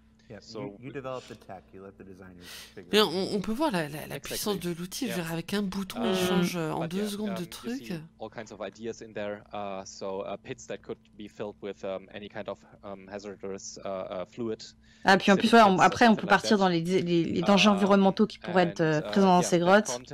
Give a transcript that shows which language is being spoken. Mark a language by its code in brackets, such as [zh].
[en] Yeah, so you develop the tech, you let the designers figure. [fr] Mais on peut voir la puissance de l'outil, yeah. Je veux dire, avec un bouton, il change en deux secondes de truc. [en] All kinds of ideas in there, so pits that could be filled with any kind of hazardous fluid. [fr] Ah, puis en plus, ouais, après, on peut partir dans les dangers environnementaux qui pourraient être présents dans ces grottes.